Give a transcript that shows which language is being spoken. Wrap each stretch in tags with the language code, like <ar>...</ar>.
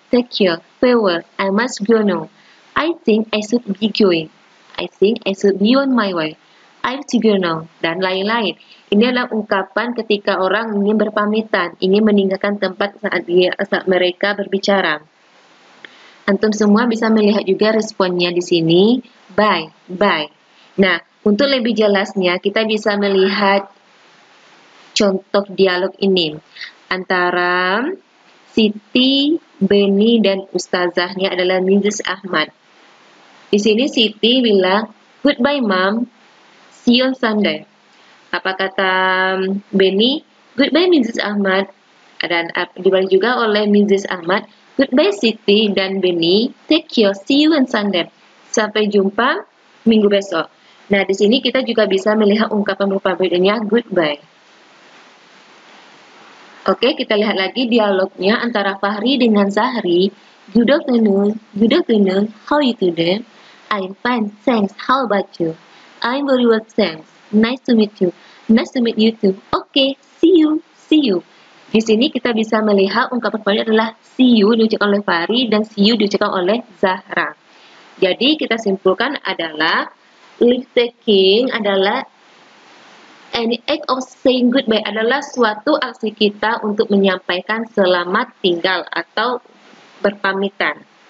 <en>Take care, farewell, I must go now. I think I should be going. I think I should be on my way. I'm to go now,</en> <id>dan lain-lain. Ini adalah ungkapan ketika orang ingin berpamitan, ingin meninggalkan tempat saat, dia, saat mereka berbicara. Antum semua bisa melihat juga responnya di sini,</id> <en>bye, bye.</en> <id>Nah, untuk lebih jelasnya, kita bisa melihat contoh dialog ini antara Siti, Beni, dan ustazahnya adalah Mrs. Ahmad. Di sini Siti bilang,</id> <en>goodbye mom, see you on Sunday.</en> <id>Apa kata Beni?</id> <en>Goodbye</en> <id>Mrs. Ahmad. Dan dibalik juga oleh</id> <en>Mrs. Ahmad, goodbye Siti</en> <id>dan</id> <en>Beni, take care, see you on Sunday.</en> <id>Sampai jumpa minggu besok. Nah, di sini kita juga bisa melihat ungkapan berpamitannya,</id> <en>goodbye.</en> <id>Oke, kita lihat lagi dialognya antara Fahri dengan Zahri.</id> <en>Good afternoon, how are you today? I'm fine, thanks, how about you? I'm very well, thanks, nice to meet you too. Oke, see you.</en> <id>Di sini kita bisa melihat ungkapan Fahri adalah</id> <en>see you</en> <id>diucapkan oleh Fahri dan see you diucapkan oleh Zahra. Jadi, kita simpulkan adalah</id> <en>leave taking</en> <id>adalah</id> <en>any act of saying goodbye</en> <id>adalah suatu aksi kita untuk menyampaikan selamat tinggal atau berpamitan.</id>